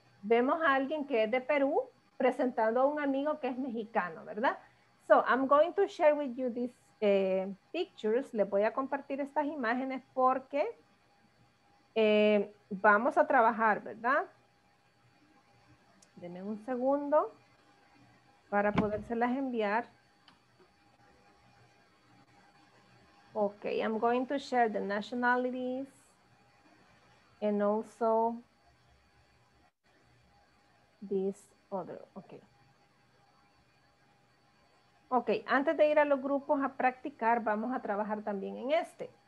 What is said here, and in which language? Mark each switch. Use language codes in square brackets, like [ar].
[es] Vemos a alguien que es de Perú presentando a un amigo que es mexicano, ¿verdad? [en] So I'm going to share with you these pictures. [es] Les voy a compartir estas imágenes porque vamos a trabajar, ¿verdad? Denme un segundo para podérselas enviar. [en] Okay, I'm going to share the nationalities and also this other, okay. [es] Okay, antes de ir a los grupos a practicar, vamos a trabajar también en este.